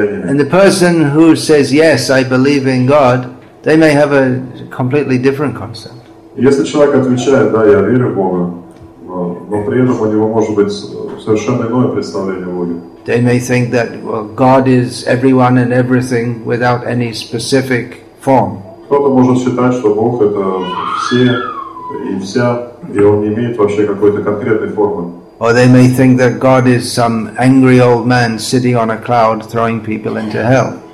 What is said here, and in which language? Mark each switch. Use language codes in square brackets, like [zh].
[en] And the person who says, yes, I believe in God, they may have a completely different concept. They may think that, well, God is everyone and everything without any specific form. [ru] Кто-то может считать, что Бог это все и вся, и он не имеет вообще какой-то конкретной формы. [en] Or they may think that God is some angry old man sitting on a cloud throwing people into hell.